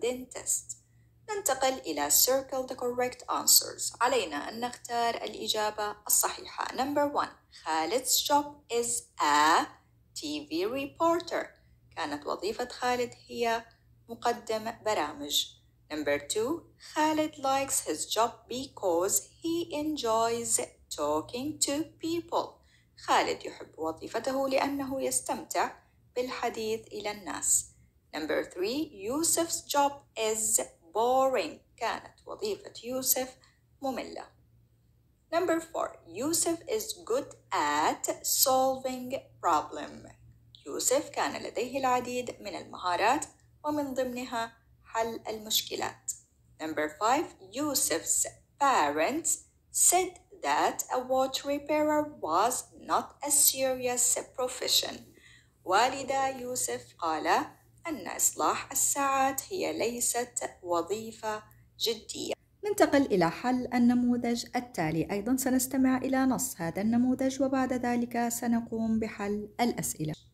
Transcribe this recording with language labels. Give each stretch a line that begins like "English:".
English: Dentist.
Arabic: ننتقل إلى
English: circle the correct answers.
Arabic: علينا أن نختار الإجابة الصحيحة.
English: Number 1. Khalid's job is a TV reporter.
Arabic: كانت وظيفة خالد هي مقدم برامج.
English: Number 2. Khalid likes his job because he enjoys talking to people.
Arabic: خالد يحب وظيفته لأنه يستمتع بالحديث إلى الناس.
English: Number 3. Yusuf's job is boring.
Arabic: كانت وظيفة يوسف مملة.
English: Number 4. Yusuf is good at solving problems.
Arabic: يوسف كان لديه العديد من المهارات ومن ضمنها حل المشكلات.
English: Number 5. Yusuf's parents said that a watch repairer was not a serious profession.
Arabic: والدا يوسف قالا أن إصلاح الساعات هي ليست وظيفة جدية. ننتقل إلى حل النموذج التالي. أيضا سنستمع إلى نص هذا النموذج وبعد ذلك سنقوم بحل الأسئلة.